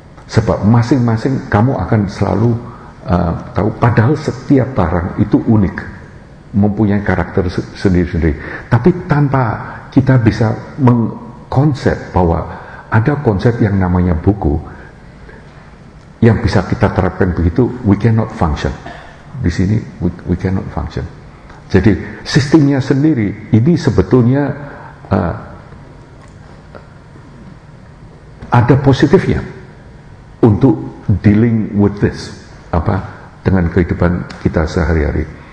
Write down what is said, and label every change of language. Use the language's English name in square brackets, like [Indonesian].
[Indonesian] Sebab masing-masing kamu akan selalu tahu, padahal setiap barang itu unik, mempunyai karakter sendiri-sendiri. Tapi tanpa kita bisa mengkonsep bahwa ada konsep yang namanya buku yang bisa kita terapkan begitu, [English] we cannot function. [Indonesian] Di sini [English] we cannot function. [Indonesian] Jadi sistemnya sendiri ini sebetulnya ada positifnya untuk [English] dealing with this, [Indonesian] dengan kehidupan kita sehari-hari.